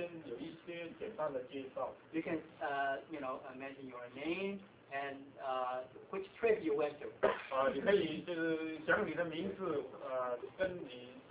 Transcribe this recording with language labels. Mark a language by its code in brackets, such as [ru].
[zh] 可能在我们中间，弟兄姊妹都从每一团出来的不大认识，所以我们就是每一位先有一些简单的介绍。 [en] You can, mention your name and which trip you went to. [zh] 你可以就是讲你的名字，跟你。